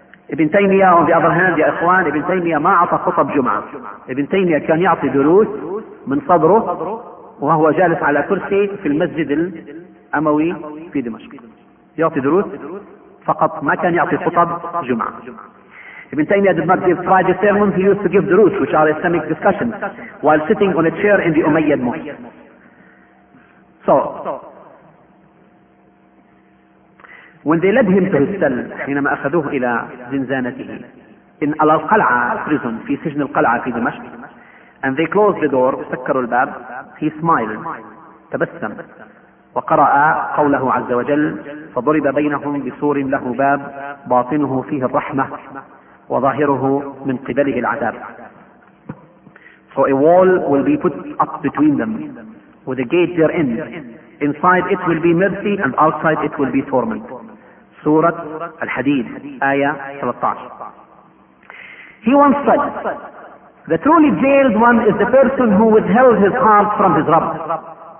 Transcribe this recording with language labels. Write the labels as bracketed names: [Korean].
[Arabic] ابن تيمية [English] on the other hand [Arabic] يا إخوان ابن تيمية ما أعطى خطب جمعة. ابن تيمية كان يعطي دروس من صدره وهو جالس على كرسي في المسجد الأموي في دمشق يعطي دروس فقط ما كان يعطي خطب جمعة. [English] ابن تيمية did not give Friday sermons, he used to give دروس which are Islamic discussions while sitting on a chair in the Umayyad mosque. So when they led him to his cell, [Arabic] حينما أخذوه إلى زنزانته [English] in Al Qal'a prison, [Arabic] في سجن القلعة في دمشق, [English] and they closed the door, [Arabic] سكروا الباب, [English] he smiled, [Arabic] تبسم, وقرأ قوله عز وجل, فضرب بينهم بسور له باب, باطنه فيه الرحمة, وظاهره من قبله العذاب. [English] So a wall will be put up between them, with a gate therein. Inside it will be mercy, and outside it will be torment. [Arabic] سورة الحديد آية 13. [English] He once said, the truly jailed one is the person who withheld his heart from his Rabb.